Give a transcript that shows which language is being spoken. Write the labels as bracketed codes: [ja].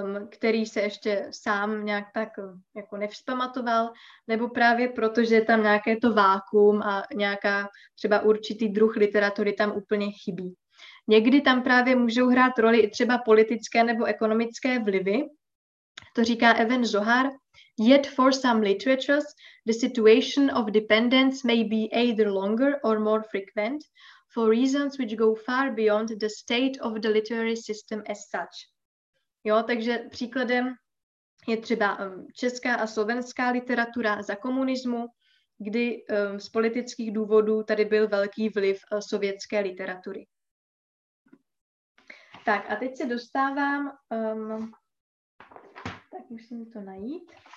[cs] který se ještě sám nějak tak jako nevzpamatoval, nebo právě proto, že je tam nějaké to vákuum a nějaká třeba určitý druh literatury tam úplně chybí. Někdy tam právě můžou hrát roli i třeba politické nebo ekonomické vlivy. To říká Evan Zohar. [en] Yet for some literatures, the situation of dependence may be either longer or more frequent for reasons which go far beyond the state of the literary system as such. [cs] Jo, takže příkladem je třeba česká a slovenská literatura za komunismu, kdy z politických důvodů tady byl velký vliv sovětské literatury. Tak a teď se dostávám, tak musím to najít.